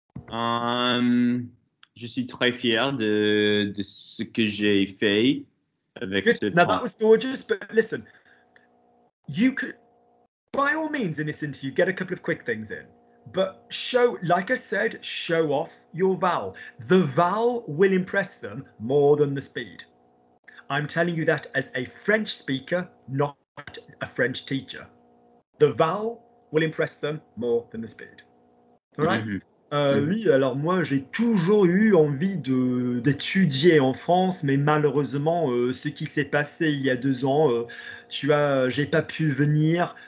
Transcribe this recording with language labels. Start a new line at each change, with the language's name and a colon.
French: Je suis très fier de ce que j'ai fait avec ce point.
English: Now that was gorgeous, but listen, you could, by all means, in this interview, get a couple of quick things in. But show, like I said, show off your vowel. The vowel will impress them more than the speed. I'm telling you that as a French speaker, not a French teacher. The vowel will impress them more than the speed. All right?
French: Oui, alors moi, j'ai toujours eu envie d'étudier en France, mais malheureusement, ce qui s'est passé il y a deux ans, j'ai pas pu venir.